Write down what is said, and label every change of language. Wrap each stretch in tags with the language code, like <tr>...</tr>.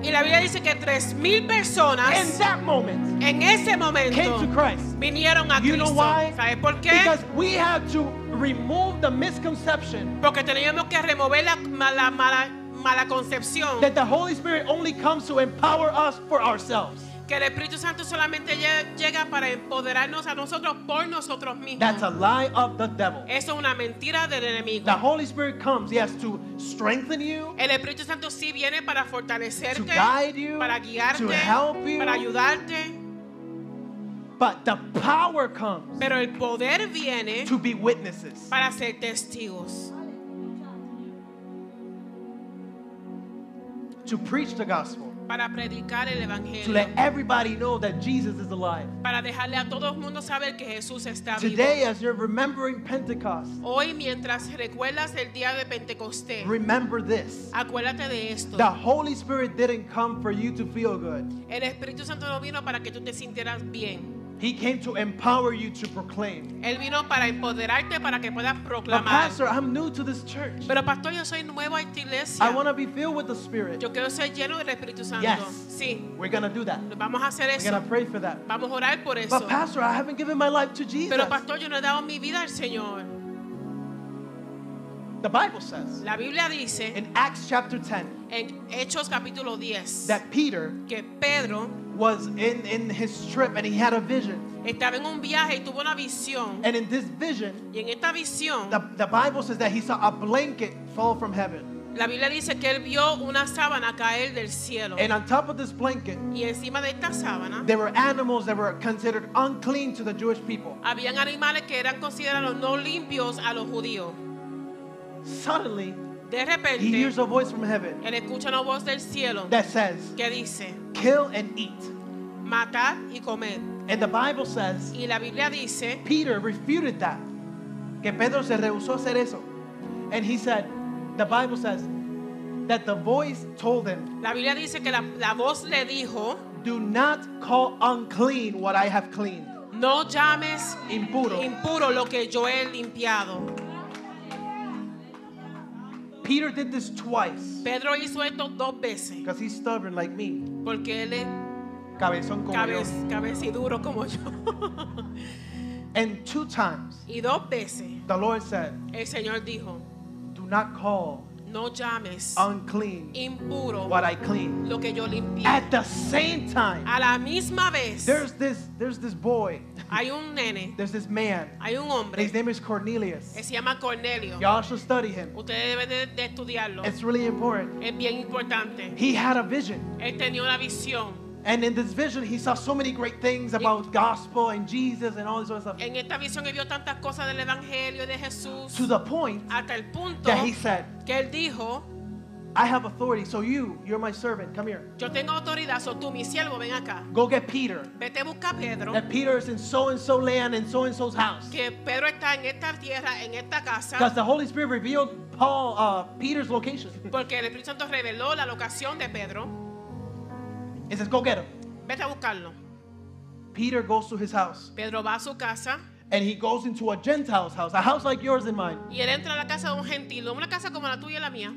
<es>y la Biblia dice que 3,000 personas,</es> <en>in that moment,</en> <es>en ese momento,</es> <en>came to Christ.</en> <es>Vinieron a</es> <en>you</en> <es>Cristo.</es> <en>Know why?</en> <es>¿Sabes por qué?</es> <en>Because we have to remove the misconception,</en> <es>porque teníamos que remover la mala concepción,</es> <en>that the Holy Spirit only comes to empower us for ourselves.</en> <es>Que el Espíritu Santo solamente llega para empoderarnos a nosotros por nosotros mismos.</es> <en>That's a lie of the devil.</en> <es>Eso es una mentira del enemigo.</es> <en>The Holy Spirit comes, yes, to strengthen you.</en> <es>El Espíritu Santo sí viene para fortalecerte,</es> <en>to guide you,</en> <es>para guiarte,</es> <en>to help you,</en> <es>para ayudarte.</es> <en>But the power comes,</en> <es>pero el poder viene,</es> <en>to be witnesses,</en> <es>para ser testigos,</es> <en>to preach the gospel,</en> <es>para predicar el evangelio,</es> <en>to let everybody know that Jesus is alive.</en> <es>Para dejarle a todo el mundo saber que Jesús está vivo.</es> <en>Today, as you're remembering Pentecost,</en> <es>hoy mientras recuerdas el día de Pentecostés,</es> <en>remember this.</en> <es>Acuérdate de esto.</es> <en>The Holy Spirit didn't come for you to feel good.</en> <es>El Espíritu Santo no vino para que tú te sintieras bien.</es> <en>He came to empower you to proclaim.</en> <es>Él vino para empoderarte para que puedas proclamar.</es> <en>But pastor, I'm new to this church.</en> <es>Pero pastor, yo soy nuevo a esta iglesia.</es> <en>I want to be filled with the Spirit.</en> <es>Yo quiero ser lleno del Espíritu Santo.</es> <en>Yes.</en> <es>Sí.</es> <en>We're gonna do that.</en> <es>Vamos a hacer eso.</es> <en>We're gonna pray for that.</en> <es>Vamos a orar por eso.</es> <en>But pastor, I haven't given my life to Jesus.</en> <es>Pero pastor, yo no he dado mi vida al Señor.</es> <en>The Bible says,</en> <es>la Biblia dice,</es> <en>in Acts chapter 10,</en> <es>en Hechos capítulo 10,</es> <en>that Peter,</en> <es>que Pedro,</es> <en>was in his trip and he had a vision.</en> <es>Estaba en un viaje y tuvo una visión.</es> <en>And in this vision,</en> <es>y en esta visión,</es> <en>the Bible says that he saw a blanket fall from heaven.</en> <es>La Biblia dice que él vio una sábana caer del cielo.</es> <en>And on top of this blanket,</en> <es>y encima de esta sábana,</es> <en>there were animals that were considered unclean to the Jewish people.</en> <es>Habían animales que eran considerados no limpios a los judíos.</es> <en>Suddenly,</en> <es>de repente,</es> <en>he hears a voice from heaven,</en> <es>él escucha una voz del cielo,</es> <en>that says,</en> <es>que dice,</es> <en>kill and eat.</en> <es>Matar y comer.</es> <en>And the Bible says,</en> <es>y la Biblia dice,</es> <en>Peter refuted that.</en> <es>Que Pedro se rehusó a hacer eso.</es> <en>And he said, the Bible says, that the voice told him,</en> <es>la Biblia dice que la voz le dijo,</es> <en>do not call unclean what I have cleaned.</en> <es>No llames impuro, impuro lo que yo he limpiado.</es> <en>Peter did this twice.</en> <es>Pedro hizo esto dos veces.</es> <en>Because he's stubborn like me.</en> <es>Porque él es cabezón como yo. Cabeza y duro como yo.</es> <en>And two times.</en> <es>Y dos veces.</es> <en>The Lord said.</en> <es>El Señor dijo.</es> <en>Do not call.</en> <es>No llames.</es> <en>Unclean.</en> <es>Impuro.</es> <en>What I clean.</en> <es>Lo que yo limpié.</es> <en>At the same time.</en> <es>A la misma vez.</es> <en>There's this boy.</en> <es>Hay un nene.</es> <en>There's this man.</en> <es>Hay un hombre.</es> <en>His name is Cornelius.</en> <es>Se llama Cornelio.</es> <en>Y'all should study him.</en> <es>Ustedes deben de estudiarlo.</es> <en>It's really important.</en> <es>Es bien importante.</es> <en>He had a vision.</en> <es>Él tenía una visión.</es> <en>And in this vision, he saw so many great things about gospel and Jesus and all this other stuff.</en> <es>En esta visión él vio tantas cosas del evangelio de Jesús.</es> <en>To the point.</en> <es>Hasta el punto.</es> <en>That he said.</en> <es>Que él dijo.</es> <en>I have authority, so you're my servant. Come here.</en> <es>Yo tengo autoridad, so tú, mi siervo, ven acá.</es> <en>Go get Peter.</en> <es>Vete a buscar a Pedro.</es> <en>That Peter is in so and so land and so and so's house.</en> <es>Que Pedro está en esta tierra, en esta casa.</es> <en>Because the Holy Spirit revealed Peter's location.</en> <es>Porque el Espíritu Santo reveló la locación de Pedro.</es> <en>He says, go get him.</en> <es>Vete a buscarlo.</es> <en>Peter goes to his house.</en> <es>Pedro va a su casa.</es> <en>And he goes into a Gentile's house, a house like yours and mine.</en> <es>Y él entra a la casa de un gentil, una casa como la tuya y la mía.</es>